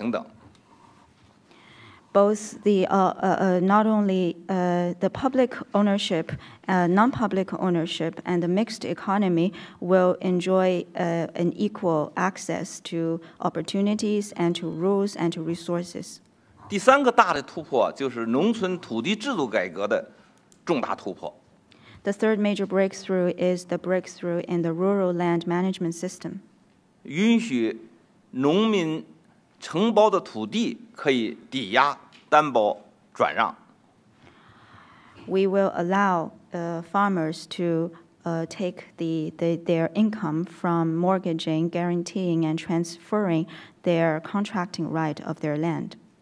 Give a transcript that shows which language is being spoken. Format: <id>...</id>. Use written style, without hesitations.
<zh>那么公有制经济和非公有制经济以及混合所有制经济在规则上平等，在使用资源上平等。</zh> <en>Both the not only the public ownership, non-public ownership, and the mixed economy will enjoy an equal access to opportunities and to rules and to resources.</en> <zh>第三个大的突破就是农村土地制度改革的重大突破。</zh> <en>The third major breakthrough is the breakthrough in the rural land management system.</en> <zh>允许农民承包的土地可以抵押担保转让。</zh> <en>We will allow farmers to take their income from mortgaging, guaranteeing, and transferring their contracting right of their land.</en>